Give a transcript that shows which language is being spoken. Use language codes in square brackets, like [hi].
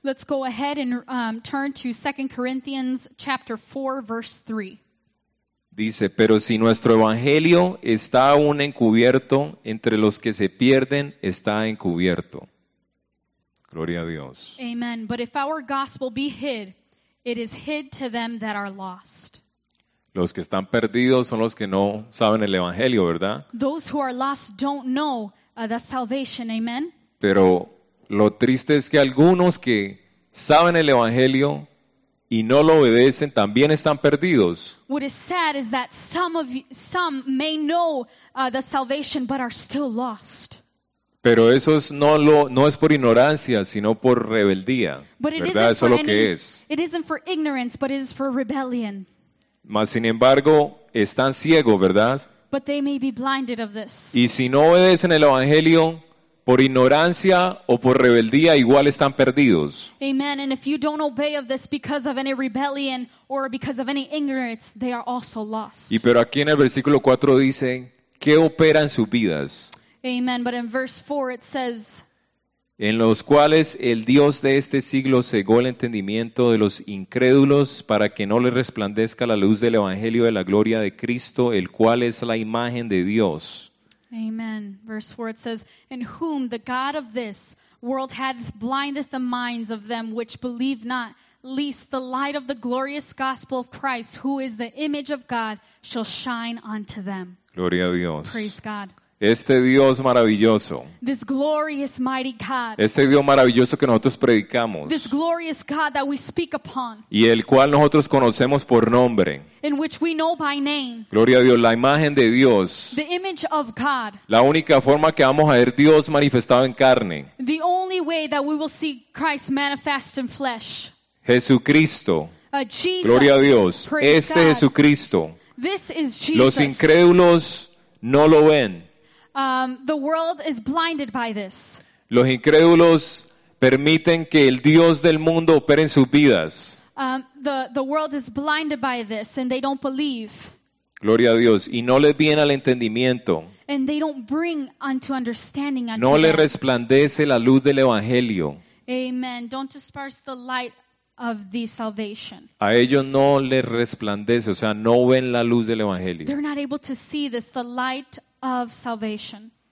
[en] Let's go ahead and turn to 2 Corinthians chapter 4 verse 3. [es] Dice, pero si nuestro evangelio está aún encubierto, entre los que se pierden está encubierto. Gloria a Dios. Amen. [en] But if our gospel be hid, it is hid to them that are lost. [es] Los que están perdidos son los que no saben el evangelio, ¿verdad? [en] Those who are lost don't know the salvation. Amen. [es] Pero lo triste es que algunos que saben el evangelio y no lo obedecen también están perdidos. [en] What is sad is that some may know the salvation but are still lost. [es] Pero eso es no es por ignorancia, sino por rebeldía. ¿Verdad? Eso es lo que es. [en] It isn't for ignorance, but it is for rebellion. [es] Mas sin embargo, están ciegos, ¿verdad? [en] But they may be blinded of this. [es] Y si no obedecen el evangelio por ignorancia o por rebeldía, igual están perdidos. Amen. [en] And if you don't obey of this because of any rebellion or because of any ignorance, they are also lost. [es] Y pero aquí en el versículo 4 dice, ¿qué opera en sus vidas? [en] Amen, but in verse 4 it says, [es] en los cuales el Dios de este siglo cegó el entendimiento de los incrédulos para que no les resplandezca la luz del Evangelio de la gloria de Cristo, el cual es la imagen de Dios. Amen. [en] Verse 4 it says, in whom the God of this world hath blinded the minds of them which believe not, lest the light of the glorious gospel of Christ, who is the image of God, shall shine unto them. [es] Gloria a Dios. [en] Praise God. [es] Este Dios maravilloso. [en] This glorious mighty God. [es] Este Dios maravilloso que nosotros predicamos. [en] This glorious God that we speak upon. [es] Y el cual nosotros conocemos por nombre. [en] In which we know by name. [es] Gloria a Dios, la imagen de Dios. [en] The image of God. [es] La única forma que vamos a ver Dios manifestado en carne. [en] The only way that we will see Christ manifest in flesh. [es] Jesucristo. [en] Jesus, [es] gloria a Dios, este [en] God. [es] Jesucristo. [en] This is Jesus. [es] Los incrédulos no lo ven. [en] The world is blinded by this. [es] Los incrédulos permiten que el Dios del mundo opere en sus vidas. [en] The world is blinded by this and they don't believe. [es] Gloria a Dios, y no les viene al entendimiento. [en] And they don't bring unto understanding unto [es] no le resplandece la luz del evangelio. Amen. [en] Don't disperse the light of the salvation. [es] A ellos no les resplandece, o sea, no ven la luz del evangelio. [en] They're not able to see this, the light of salvation.